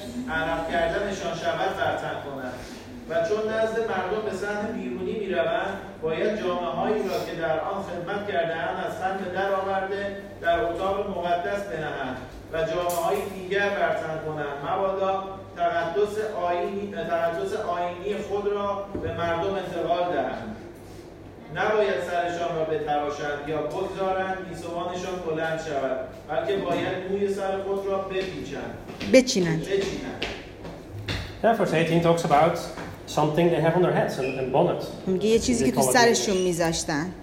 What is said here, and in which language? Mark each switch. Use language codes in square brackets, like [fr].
[fa] عرق کردنشان شود بر تن کنند و چون نزد مردم به صحن بیرونی می روند باید جامعه هایی را که در آن خدمت کرده اند از صحن در آورده در اتاق مقدس بنهند و جامعه های دیگر بر تن کنند مبادا تقدس آیینی خود را به مردم انتقال دهند نباید سرشان را بتراشند یا بگذارند گیسوانشان بلند شود بلکه باید موی سر خود را بچینند. [en] Therefore 18 talks about something they have on their heads and bonnets. [fa] میگه یه چیزی که تو سرشون میذاشتن.